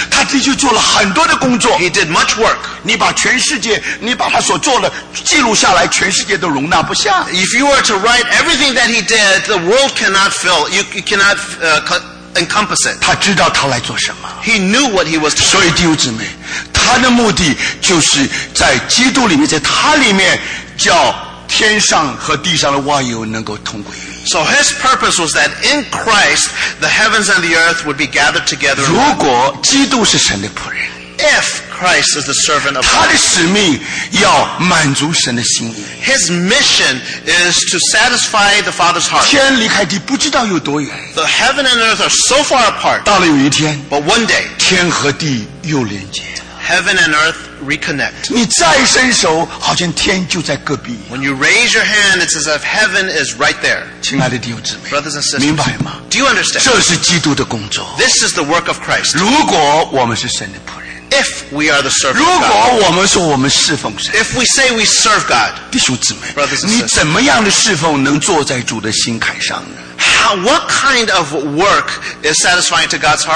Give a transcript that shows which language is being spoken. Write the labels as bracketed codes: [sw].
[zh] 他的确做了很多的工作。 [en] He did much work. [zh] 你把全世界，你把他所做的记录下来，全世界都容纳不下。 [en] If you were to write everything that he did, the world cannot fill. You cannot encompass it. [zh] 他知道他来做什么。 [en] He knew what he was doing. [zh] 所以弟兄姊妹，他的目的就是在基督里面，在他里面叫。天上和地上的万有能够同归于一。 [en] So his purpose was that in Christ, the heavens and the earth would be gathered together. [zh] 如果基督是神的仆人。 [en] If Christ is the servant of God. [zh] 他的使命要满足神的心意。 [en] His mission is to satisfy the Father's heart. [zh] 天离开地不知道有多远。 [en] The heaven and earth are so far apart. [zh] 到了有一天。 [en] But one day. [zh] 天和地又连接。 [en] Heaven and earth reconnect. [zh] 你再伸手，好像天就在隔壁。 [en] When you raise your hand, it's as if heaven is right there. [zh] 亲爱的弟兄姊妹， [en] brothers and sisters, [zh] 明白吗？ [en] Do you understand? [zh] 这是基督的工作。 [en] This is the work of Christ. [zh] 如果我们是神的仆人， [en] if we are the servant of God. [zh] 如果我们说我们侍奉神， [en] if we say we serve God. [zh] 弟兄姊妹， [en] brothers and sisters, [zh] 你怎么样的侍奉能坐在主的心坎上呢？ [en] How, what kind of work is satisfying to God's heart?